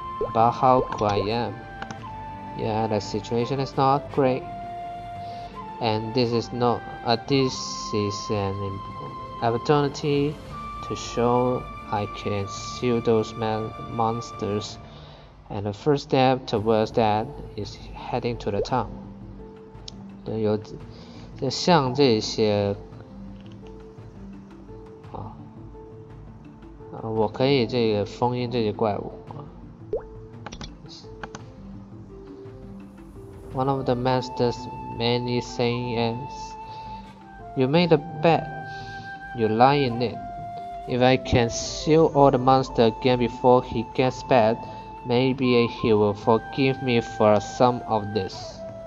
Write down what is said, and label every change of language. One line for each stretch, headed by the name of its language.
English: About how cool I am. Yeah, the situation is not great, and this is an opportunity to show I can seal those monsters. And the first step towards that is heading to the town.
Chinese: 对，有就像这些我可以这个封印这些怪物。
English: One of the master's many things is, you made a bet, you lie in it. If I can seal all the monster again before he gets back, maybe he will forgive me for some of this.